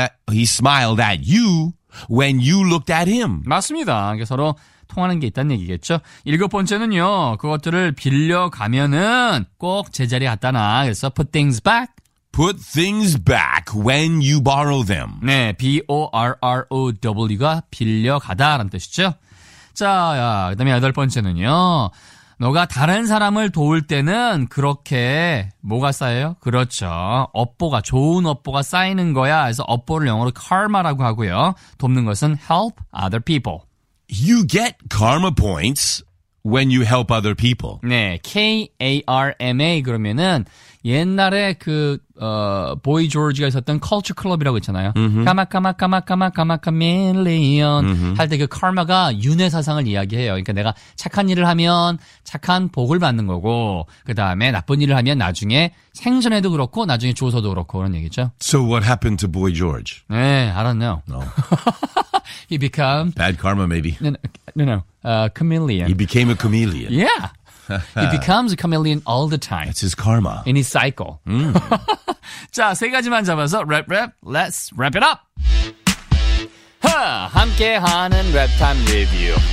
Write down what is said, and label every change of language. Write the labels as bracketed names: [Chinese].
[English] He smiled at you when you looked at him. [Korean] 맞습니다. 그러니까 서로 통하는 게 있다는 얘기겠죠. 일곱 번째는요. 그것들을 빌려가면은 꼭 제자리에 갖다 놔. 그래서 [English] put things back. Put things back when you borrow them. [Korean] 네. B-O-R-R-O-W가 빌려가다라는 뜻이죠. 자, 그 다음에 여덟 번째는요. 너가 다른 사람을 도울 때는 그렇게 뭐가 쌓여요? 그렇죠. 업보가, 좋은 업보가 쌓이는 거야. 그래서 업보를 영어로 karma라고 하고요. 돕는 것은 [English] help other people. You get karma points when you help other people. [Korean] 네, K-A-R-M-A 그러면은 옛날에 그 보이 조지가 있었던 컬처 클럽이라고 있잖아요. 카마카마카마카마카밀리언 할 때 그 카마가 윤회 사상을 이야기해요. 그러니까 내가 착한 일을 하면 착한 복을 받는 거고 그다음에 나쁜 일을 하면 나중에 생전에도 그렇고 나중에 죽어서도 그렇고 그런 얘기죠. [English] So what happened to boy George? 네, I don't know. No. He became bad karma maybe. No. Chameleon. He became a chameleon. Yeah. He becomes a chameleon all the time. That's his karma. In his cycle. Mm. [Korean] 자, 세 가지만 잡아서 랩. [English] Let's wrap it up. [Korean] 함께하는 랩타임 리뷰.